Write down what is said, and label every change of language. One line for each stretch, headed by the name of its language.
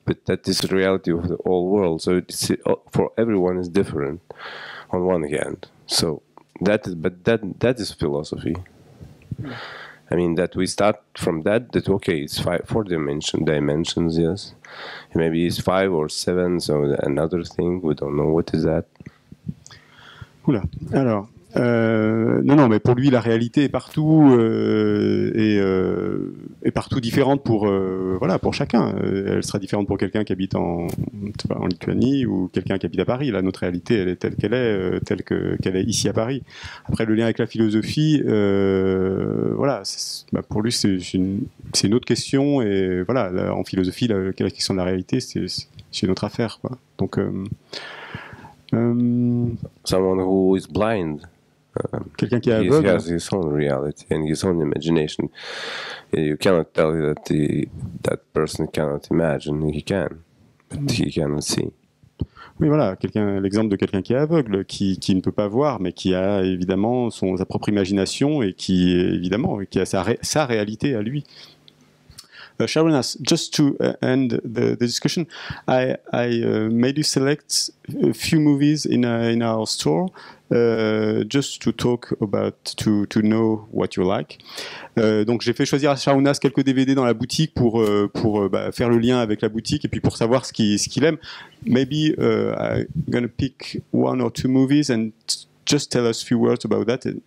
English: But that is the reality of the whole world. So it's, for everyone, is different on one hand. So that is philosophy. I mean, that we start from that okay, it's four dimensions, yes. Maybe it's five or seven, so another thing, we don't know what is that.
French: Oula, alors, non, mais pour lui, la réalité est partout, et partout différente pour chacun. Elle sera différente pour quelqu'un qui habite en Lituanie ou quelqu'un qui habite à Paris. Là, notre réalité, elle est telle qu'elle est, telle qu'elle est ici à Paris. Après, le lien avec la philosophie, pour lui, c'est une autre question. Et voilà, là, en philosophie, la question de la réalité, c'est une autre affaire, quoi. Donc,
English: someone who is blind.
French: Quelqu'un qui est aveugle.
English: He has his own reality and his own imagination. You cannot tell that that person cannot imagine. He can, but he cannot see.
French: Oui, voilà, l'exemple de quelqu'un qui est aveugle, qui ne peut pas voir, mais qui a évidemment sa propre imagination et qui évidemment qui a sa réalité à lui.
English: Sharunas, just to end the discussion, I made you select a few movies in our store, just to talk about, to know what you like.
French: Donc j'ai fait choisir à Sharunas quelques DVD dans la boutique pour faire le lien avec la boutique et puis pour savoir ce qu'il aime.
English: Maybe I'm gonna pick one or two movies and just tell us a few words about that.